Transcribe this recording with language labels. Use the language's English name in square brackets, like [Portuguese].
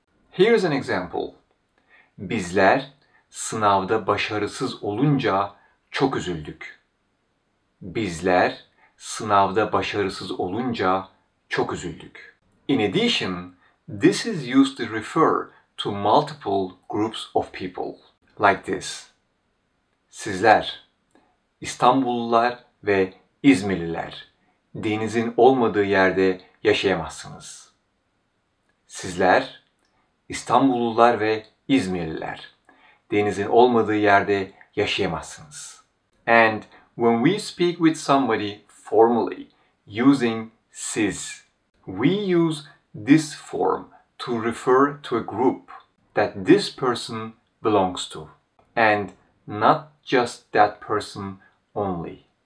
[English] Here's an example. [Turkish] Bizler sınavda başarısız olunca çok üzüldük. Bizler sınavda başarısız olunca çok üzüldük. [English] In addition, this is used to refer to multiple groups of people like this. [Turkish] Sizler, İstanbullular ve İzmirliler, denizin olmadığı yerde yaşayamazsınız. Sizler, İstanbullular ve İzmirliler, denizin olmadığı yerde yaşayamazsınız. [English] And when we speak with somebody formally using siz, we use this form to refer to a group that this person belongs to. And not just that person only.